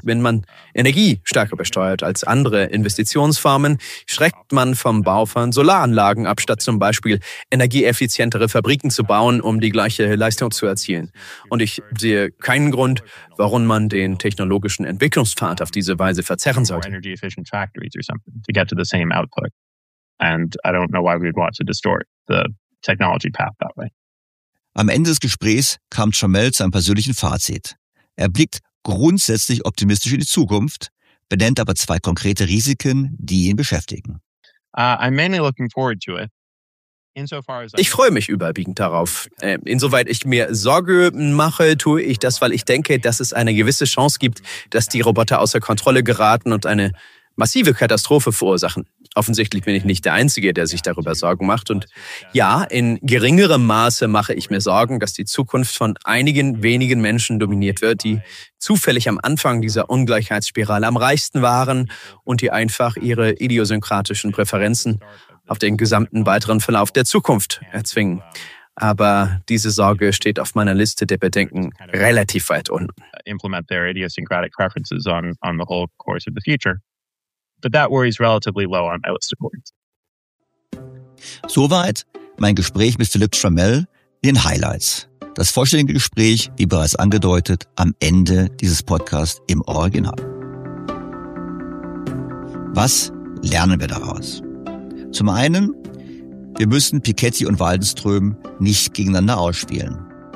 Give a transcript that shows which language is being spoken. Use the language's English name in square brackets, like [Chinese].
[German] Wenn man Energie stärker besteuert als andere Investitionsformen, schreckt man vom Bau von Solaranlagen ab, statt zum Beispiel energieeffizientere Fabriken zu bauen, um die gleiche Leistung zu erzielen. Und ich sehe keinen Grund, warum man den technologischen Entwicklungspfad auf diese Weise verzerren sollte. [English] Energy efficient factories or something to get to the same output. And I don't know why we'd want to distort the technology path that way. [German] Am Ende des Gesprächs kam Jamel zu einem persönlichen Fazit. Er blickt grundsätzlich optimistisch in die Zukunft, benennt aber zwei konkrete Risiken, die ihn beschäftigen. [English] I'm mainly looking forward to it. [German] Ich freue mich überwiegend darauf. Insoweit ich mir Sorge mache, tue ich das, weil ich denke, dass es eine gewisse Chance gibt, dass die Roboter außer Kontrolle geraten und eine massive Katastrophe verursachen. Offensichtlich bin ich nicht der Einzige, der sich darüber Sorgen macht. Und ja, in geringerem Maße mache ich mir Sorgen, dass die Zukunft von einigen wenigen Menschen dominiert wird, die zufällig am Anfang dieser Ungleichheitsspirale am reichsten waren und die einfach ihre idiosynkratischen Präferenzen auf den gesamten weiteren Verlauf der Zukunft erzwingen. Aber diese Sorge steht auf meiner Liste der Bedenken relativ weit unten. [English] Implement their idiosyncratic preferences on the whole course of the future. But that worry is relatively low on my list of points. [German] Soweit mein Gespräch mit Philipp Tramell, den Highlights. Das vollständige Gespräch, wie bereits angedeutet, am Ende dieses Podcasts im Original. Was lernen wir daraus? Zum einen, wir müssen Piketty und Waldenström nicht gegeneinander ausspielen.